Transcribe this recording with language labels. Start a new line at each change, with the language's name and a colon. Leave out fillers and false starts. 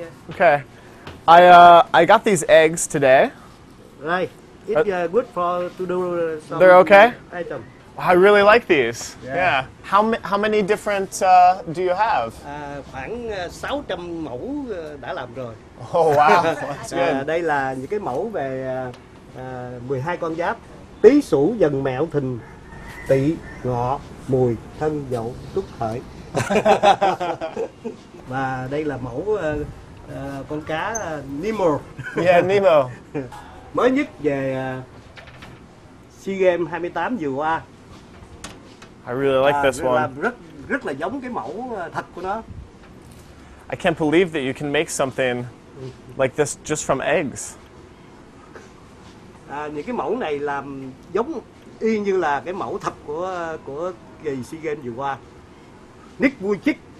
English: Okay. I got these eggs today. Right. It's good for to do some. They're okay? Item. I really like these. Yeah. How many different do you have?
Vietnamese: Khoảng 600 mẫu đã làm rồi.
English: Oh, wow. That's good.
Vietnamese: Đây là những cái mẫu về 12 con giáp. Tý, sủ, dần, mẹo, thìn, tỵ, ngọ, mùi, thân, dậu, tuất, hợi. Và đây là mẫu con cá Nemo.
English: Yeah, Nemo.
Vietnamese: Mới nhất về SEA Games 28 vừa qua.
English: I really like this one.
Vietnamese: Làm rất là giống cái mẫu thật của nó.
English: I can't believe that you can make something like this just from eggs.
Vietnamese: Những cái mẫu này làm giống y như là cái mẫu thật của kỳ SEA Games vừa qua. Nick Vujicic.